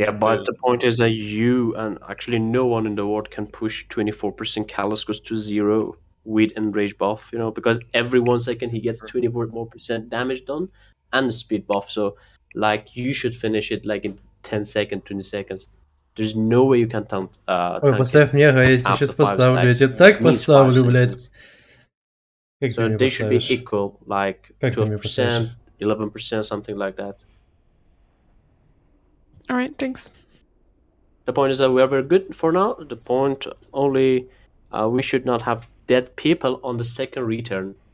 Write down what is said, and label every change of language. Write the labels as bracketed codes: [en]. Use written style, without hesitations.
[en] yeah, but the point is that you and actually no one in the world can push 24% Kalaskos to zero with enrage buff, you know, because every 1 second he gets 24% more damage done and the speed buff. So, like, you should finish it like in 10 seconds, 20 seconds. There's no way you can taunt. [ru] Ой, поставь мне, я сейчас поставлю, я тебе так поставлю, блядь. [en] So they should be equal, like 12%, 11%, something like that. Alright, thanks. The point is that we are very good for now. The point only, we should not have dead people on the second return.